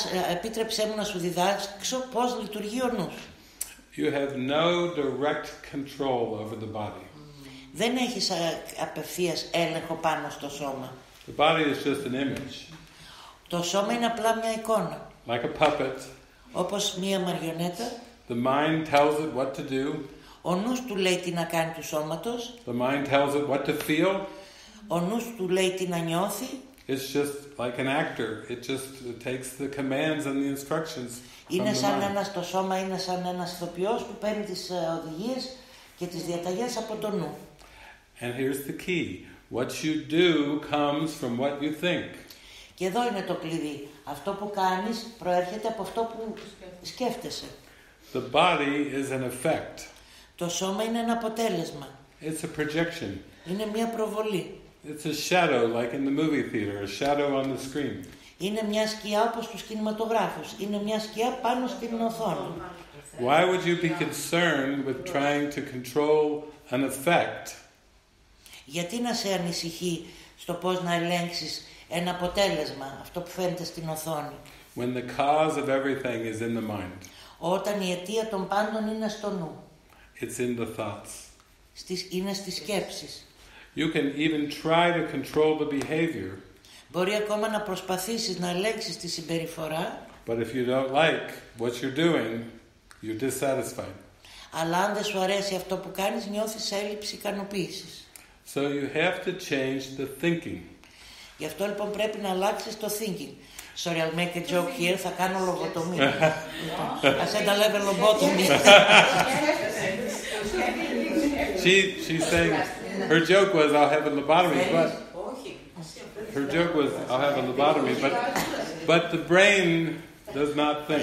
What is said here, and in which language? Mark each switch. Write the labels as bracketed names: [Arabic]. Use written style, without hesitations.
[Greek] Επίτρεψέ μου να σου διδάξω πώς λειτουργεί ο νους. [English] You have no direct control over the body. [Greek] Δεν έχεις απευθείας έλεγχο πάνω στο σώμα. [English] The body is just an image. [Greek] Το σώμα είναι απλά μια εικόνα. [English] Like a puppet. [Greek] Όπως μια μαριονέτα. [English] The mind tells it what to do. [Greek] Ο νους του λέει τι να κάνει του σώματος. [English] The mind tells it what to feel. [Greek] Ο νους του λέει τι να νιώθει. [English] It's just like an actor. It just takes the commands and the instructions. [Greek] Είναι σαν ένας το σώμα, είναι σαν ένας ηθοποιός που παίρνει τις οδηγίες και τις διαταγές από το νου. [English] And here's the key. What you do comes from what you think. [Greek] Και εδώ είναι το κλειδί. Αυτό που κάνεις προέρχεται από αυτό που σκέφτεσαι. [English] The body is an effect. [Greek] Το σώμα είναι ένα αποτέλεσμα. [English] It's a projection. [Greek] Είναι μια προβολή. [English] It's a shadow, like in the movie theater, a shadow on the screen. [Greek] Είναι μια σκιά όπως στους κινηματογράφους. Είναι μια σκιά πάνω στην οθόνη. [English] Why would you be concerned with trying to control an effect? [Greek] Γιατί να σε ανησυχεί στο πώς να ελέγξεις ένα αποτέλεσμα, αυτό που φαίνεται στην οθόνη. [English] When the cause of everything is in the mind. [Greek] Όταν η αιτία των πάντων είναι στο νου. [English] It's in the thoughts. [Greek] Είναι στις σκέψεις. [English] You can even try to control the behavior. [Greek] Μπορεί ακόμα να προσπαθήσεις να ελέγξεις τη συμπεριφορά. [English] But if you don't like what you're doing, you're dissatisfied. [Greek] Αλλά αν δεν σου αρέσει αυτό που κάνεις, νιώθεις έλλειψη ικανοποίησης. [English] So you have to change the thinking. [Greek] Γι' αυτό λοιπόν πρέπει να αλλάξεις το thinking. [English] Sorry, I'll make a joke here. [Greek] Θα κάνω λογοτομή. [English] I said a level lobotomy. She's saying her joke was I'll have a lobotomy, but her joke was I'll have a lobotomy, but the brain does not think.